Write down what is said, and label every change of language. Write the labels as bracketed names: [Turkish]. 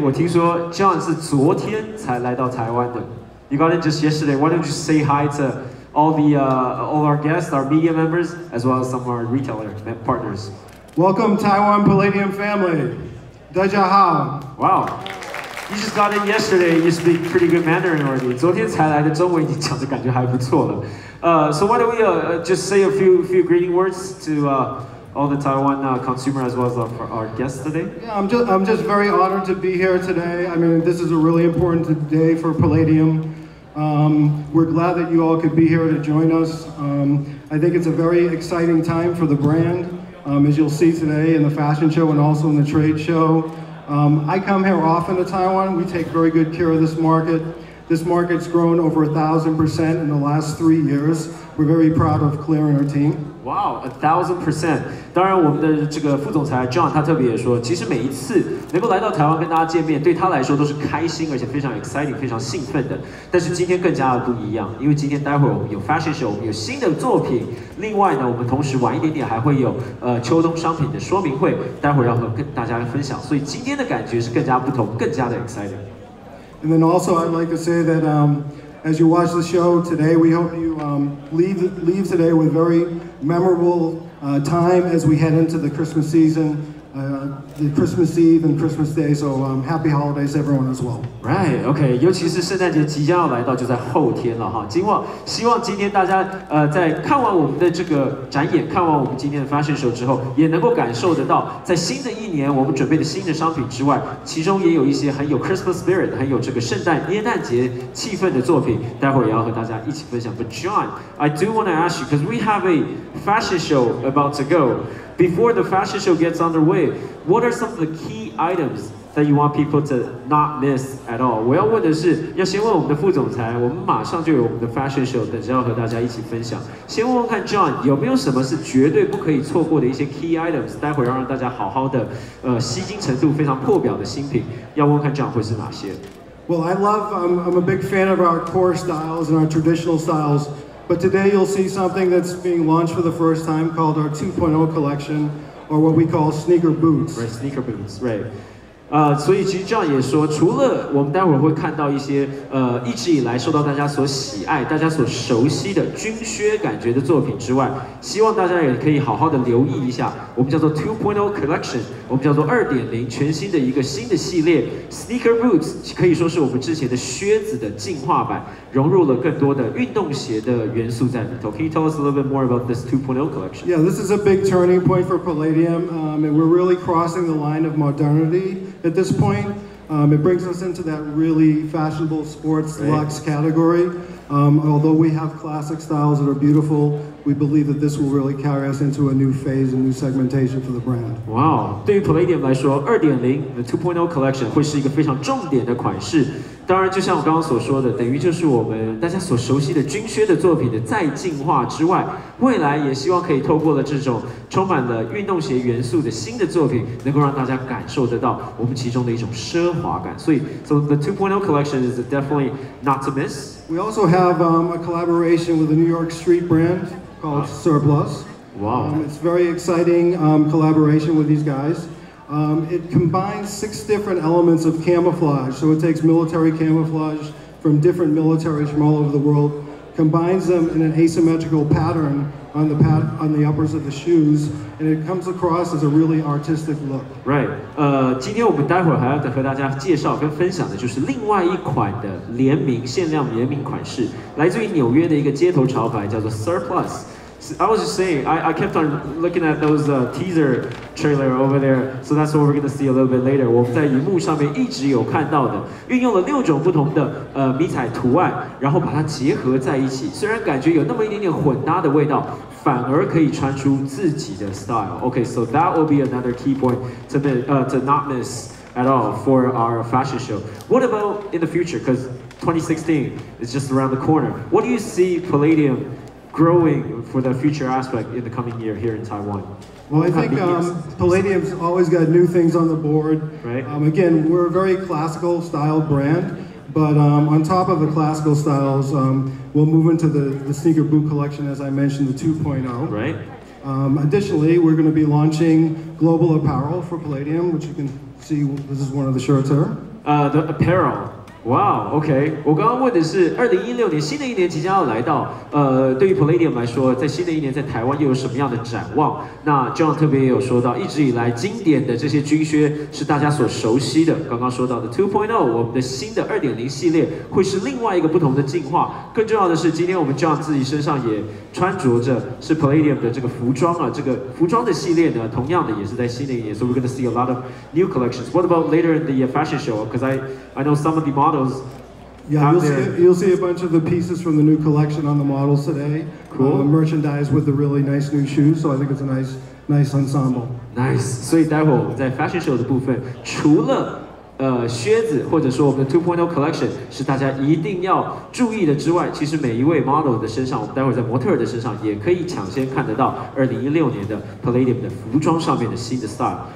[Chinese] 我听说 John 是昨天才来到台湾的。 [English] You got in just yesterday. Why don't you say hi to all, all our guests, our media members, as well as some of our retailer partners. Welcome, Taiwan Palladium family. [Chinese] Dajahao. [English] Wow. You just got in yesterday, you speak pretty good Mandarin already. [Chinese] 昨天才来的中文已经讲得感觉还不错了。 [English] So why don't we just say a few greeting words to all the Taiwan consumers as well as our guests today? Yeah, I'm just very honored to be here today. I mean, this is a really important day for Palladium. We're glad that you all could be here to join us. I think it's a very exciting time for the brand, as you'll see today in the fashion show and also in the trade show. I come here often to Taiwan. We take very good care of this market. This market's grown over 1,000% in the last 3 years. We're very proud of Claire and her team. Wow, 1,000%. [Chinese] 当然我们的这个副总裁 John 他特别也说，其实每一次能够来到台湾跟大家见面，对他来说都是开心而且非常 exciting, 非常兴奋的。但是今天更加的不一样，因为今天待会儿我们有 fashion show, 我们有新的作品。另外呢，我们同时晚一点点还会有秋冬商品的说明会，待会儿要和大家分享。所以今天的感觉是更加不同，更加的 exciting。 [English] And then also I'd like to say that as you watch the show today, we hope you leave today with very memorable time as we head into the Christmas season, the Christmas Eve and Christmas Day, so happy holidays everyone as well. [Chinese] Right, okay, 尤其是圣诞节即将要来到就在后天了哈，希望今天大家在看完我们的这个展演，看完我们今天的 fashion show 之后，也能够感受得到在新的一年我们准备的新的商品之外，其中也有一些很有 Christmas spirit, 很有这个圣诞耶诞节气氛的作品，待会儿也要和大家一起分享。 [English] But John, I do want to ask you, because we have a fashion show about to go. Before the fashion show gets underway, what are some of the key items that you want people to not miss at all? [Chinese] 我要问的是，要先问我们的副总裁，我们马上就有我们的 fashion show, 等着要和大家一起分享。先问问看 John, 有没有什么是绝对不可以错过的一些 key items, 待会儿要让大家好好的吸睛程度非常破表的新品，要问看 John 会是哪些。 [English] Well, I love, I'm a big fan of our core styles and our traditional styles. But today you'll see something that's being launched for the first time called our 2.0 collection, or what we call sneaker boots. Right, sneaker boots, right. [Chinese] 所以其实 John 也说，除了我们待会儿会看到一些一直以来受到大家所喜爱、大家所熟悉的军靴感觉的作品之外，希望大家也可以好好的留意一下，我们叫做 2.0 collection, 我们叫做 2.0 全新的一个新的系列 sneaker boots, 可以说是我们之前的靴子的进化版，融入了更多的运动鞋的元素在里头。 [English] Can you tell us a little bit more about this 2.0 collection? Yeah, this is a big turning point for Palladium, and we're really crossing the line of modernity. At this point, it brings us into that really fashionable sports luxe category. Although we have classic styles that are beautiful, we believe that this will really carry us into a new phase, a new segmentation for the brand. [Chinese] Wow, 对于 Palladium 来说 2.0, [English] the 2.0 collection [Chinese] 会是一个非常重点的款式。当然就像我刚刚所说的，等于就是我们大家所熟悉的军靴的作品的再进化之外，未来也希望可以透过了这种充满了运动鞋元素的新的作品，能够让大家感受得到我们其中的一种奢华感。所以 [English] so the 2.0 collection is definitely not to miss. We also have a collaboration with a New York street brand called Surplus. Wow. It's very exciting collaboration with these guys. It combines 6 different elements of camouflage, so it takes military camouflage from different militaries from all over the world, combines them in an asymmetrical pattern on the, on the uppers of the shoes, and it comes across as a really artistic look. Right. [Chinese] 今天我们待会儿还要和大家介绍跟分享的就是另外一款的联名限量联名款式，来自于纽约的一个街头潮牌叫做 Surplus。 [English] I was just saying, I kept on looking at those teaser trailer over there, so that's what we're going to see a little bit later. [Chinese] 我们在萤幕上面一直有看到的，运用了六种不同的迷彩图案，然后把它结合在一起，虽然感觉有那么一点点混搭的味道，反而可以穿出自己的 style. [English] Okay, so that will be another key point to not miss at all for our fashion show. What about in the future? Because 2016 is just around the corner. What do you see Palladium growing for the future aspect in the coming year here in Taiwan? Well, I think Palladium's always got new things on the board. Right. Again, we're a very classical style brand, but on top of the classical styles, we'll move into the sneaker boot collection, as I mentioned, the 2.0. Right. Additionally, we're going to be launching global apparel for Palladium, which you can see, this is one of the shirts here. The apparel. Wow, okay. [Chinese] 我刚刚问的是2016年新的一年即将要来到，对于 Palladium 来说，在新的一年在台湾又有什么样的展望？那 John 特别也有说到，一直以来经典的这些军靴是大家所熟悉的，刚刚说到的 2.0， 我们的新的 2.0 系列会是另外一个不同的进化。更重要的是，今天我们 John 自己身上也穿着着是 Palladium 的这个服装啊，这个服装的系列呢，同样的也是在新的一年。 [English] So we're going to see a lot of new collections. What about later in the fashion show? Because I know some of the models. Yeah, you'll see a bunch of the pieces from the new collection on the models today. Cool. Merchandise with the really nice new shoes, so I think it's a nice ensemble. Nice. [Chinese] 所以待会儿在 fashion show 的部分，除了靴子或者说我们的 2.0 collection 是大家一定要注意的之外，其实每一位 model 的身上，我们待会儿在模特儿的身上也可以抢先看得到2016年的 Palladium 的服装上面的新的 style.